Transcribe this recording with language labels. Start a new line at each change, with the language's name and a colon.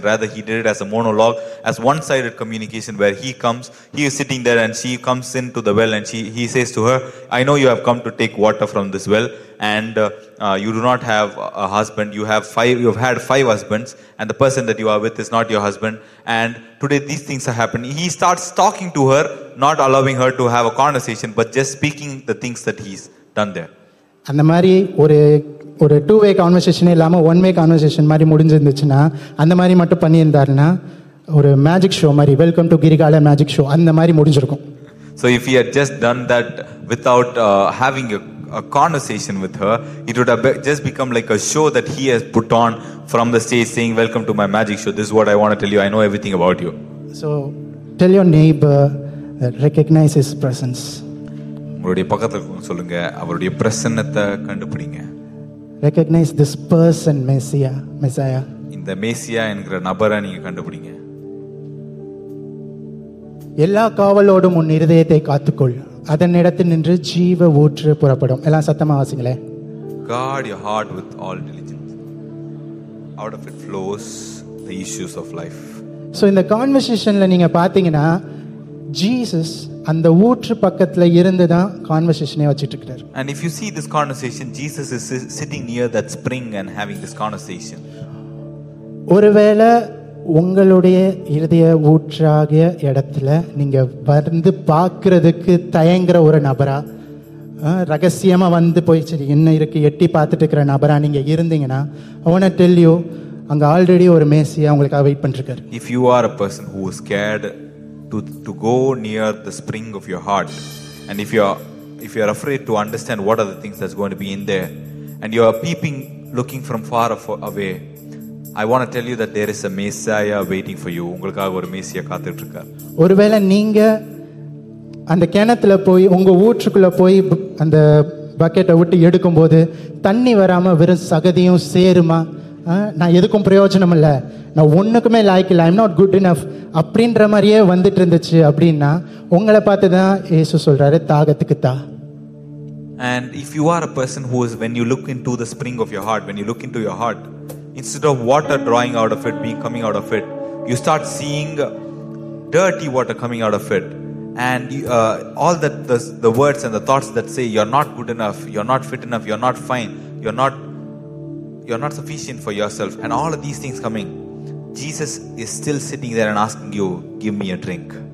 English: Rather, he did it as a monologue, as one-sided communication, where he comes, he is sitting there and she comes into the well and he says to her, I know you have come to take water from this well and you do not have a husband. You have had five husbands and the person that you are with is not your husband. And today these things are happening. He starts talking to her, not allowing her to have a conversation, but just speaking the things that he's done there.
Tamil: அந்த மாதிரி ஒரு ஒரு two way கான்வர்சேஷனே இல்லாமல் one way conversation மாதிரி முடிஞ்சிருந்துச்சுன்னா, அந்த மாதிரி மட்டும் பண்ணியிருந்தாருன்னா, ஒரு மேஜிக் ஷோ மாதிரி,
English: welcome to கிரிகால magic show
Tamil: அந்த மாதிரி முடிஞ்சிருக்கும்.
English: So if he had just done that without having a conversation with her, it would have just become like a show that he has put on from the stage, saying, welcome to my magic show, this is what I want to tell you, I know everything about you. So tell your neighbor that recognize his presence.
Tamil: உங்களுடைய பக்கத்துல சொல்லுங்க, அவருடைய பிரசன்னத்தை கண்டுபிடிங்க.
English: Recognize this person, Messiah, Messiah.
Tamil: இந்த மேசியா என்கிற நபரை நீங்க கண்டுபிடிங்க. எல்லா காவலோடும் உன் இருதயத்தை காத்துக்கொள், அதன் இடத்தில் நின்று ஜீவ ஊற்று புறப்படும். எல்லாம் சத்தமா வாசிங்களே.
English: Guard your heart with all diligence. Out of it flows the issues of life. So in the conversationல
Tamil: நீங்க பாத்தீங்கன்னா, Jesus அந்த ஊற்று பக்கத்துல இருந்து தான் கான்வர்சேஷனே வச்சிட்டு இருக்கார்.
English: And if you see this conversation, Jesus is sitting near that spring and having this conversation.
Tamil: ஒருவேளை உங்களுடைய இதய ஊற்றாகிய இடத்துல நீங்க வந்து பார்க்கிறதுக்கு தயங்குற ஒரு நபரா, ரகசியமா வந்து போயிச்சு என்ன இருக்கு எட்டி பார்த்துட்டு இருக்கிற நபரா நீங்க இருந்தீங்கன்னா,
English: I want to tell you,
Tamil: அங்க ஆல்ரெடி ஒரு மேசியா உங்களுக்காக வெயிட் பண்ணிருக்காரு.
English: If you are a person who is scared to go near the spring of your heart, and if you are afraid to understand what are the things that's going to be in there, and you are peeping, looking from far away, I want to tell you that there is a Messiah waiting for you.
Tamil: உங்களுக்காக ஒரு மேசியா காத்துட்டு இருக்கார். ஒருவேளை நீங்க அந்த கிணத்துல போய் உங்க ஊற்றுக்குள்ள போய் அந்த பக்கெட்டை விட்டு எடுக்கும் போது தண்ணி வராம வெறும் சகதியும் சேருமா, நான் எதுக்கும் பிரயோஜனம் இல்ல, நான் ஒண்ணுக்குமே லாய்க் இல்ல,
English: I'm not good enough
Tamil: அப்படின்ற மாதிரியே வந்துட்டு இருந்துச்சு அப்படின்னா, உங்களை பார்த்துதான் ஏசு சொல்றாரு தாகத்துக்கு தா.
English: And if you are a person who is, when you look into the spring of your heart, when you look into your heart, instead of water drawing out of it, being coming out of it, you start seeing dirty water coming out of it, and all that the words and the thoughts that say you're not good enough, you're not fit enough, you're not fine, you're not sufficient for yourself, and all of these things coming, Jesus is still sitting there and asking you, give me a drink.